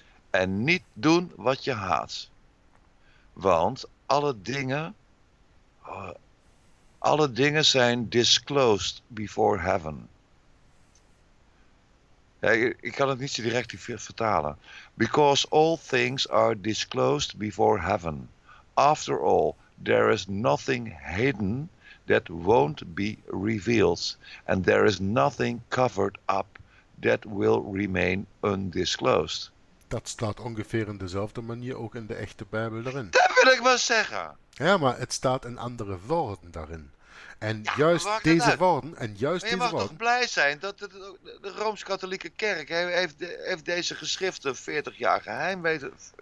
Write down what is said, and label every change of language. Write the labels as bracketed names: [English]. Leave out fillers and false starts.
[Dutch] En niet doen wat je haat. Want alle dingen zijn [English] disclosed before heaven. [Dutch] Ja, ik kan het niet zo direct vertalen. [English] Because all things are disclosed before heaven. After all, there is nothing hidden that won't be revealed. And there is nothing covered up that will remain undisclosed. [Dutch] Dat staat ongeveer in dezelfde manier ook in de echte Bijbel erin. Dat wil ik wel zeggen. Ja, maar het staat in andere woorden daarin. En ja, juist deze woorden... En juist maar je mag woorden... toch blij zijn dat de Rooms-Katholieke Kerk heeft deze geschriften 40 jaar geheim weten...